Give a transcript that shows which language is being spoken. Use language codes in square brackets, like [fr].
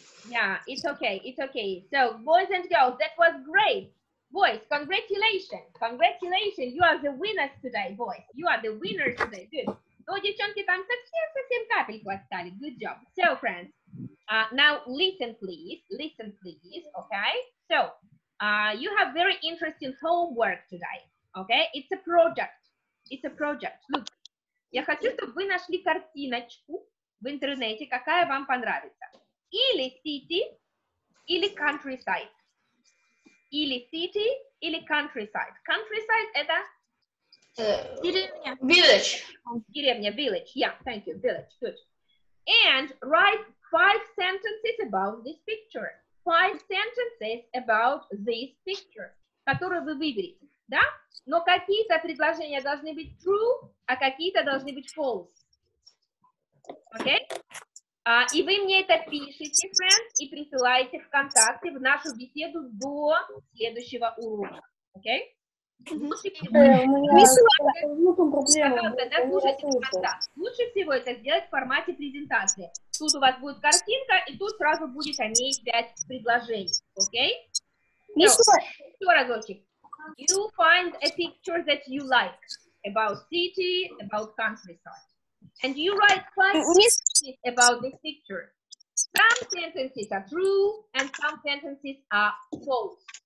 [en] Yeah, it's okay, it's okay. So, boys and girls, that was great. Boys, congratulations. Congratulations, you are the winners today, boys. You are the winners today, good. [ru] Ну, девчонки, там совсем-совсем капельку остались. [en] Good job. So, friends, now listen, please. Listen, please, okay? So, you have very interesting homework today, okay? It's a project. It's a project. Look, [ru] я хочу, чтобы вы нашли картиночку в интернете, какая вам понравится. Или city, или countryside. Или city, или countryside. Countryside – это... Деревня. [en] Village. Деревня, village. Yeah, thank you. Village. Good. And write 5 sentences about this picture. 5 sentences about this picture, [ru] которую вы выберете. Да? Но какие-то предложения должны быть true, а какие-то должны быть false. Okay? И вы мне это пишете, friends, и присылаете в ВКонтакте в нашу беседу до следующего урока. Окей? Лучше всего это сделать в формате презентации. Тут у вас будет картинка, и тут сразу будет о ней 5 предложений. Окей? Еще разочек. [en] You find a picture that you like about city, about countryside. And you write 5 sentences about this picture. Some sentences are true, and some sentences are false.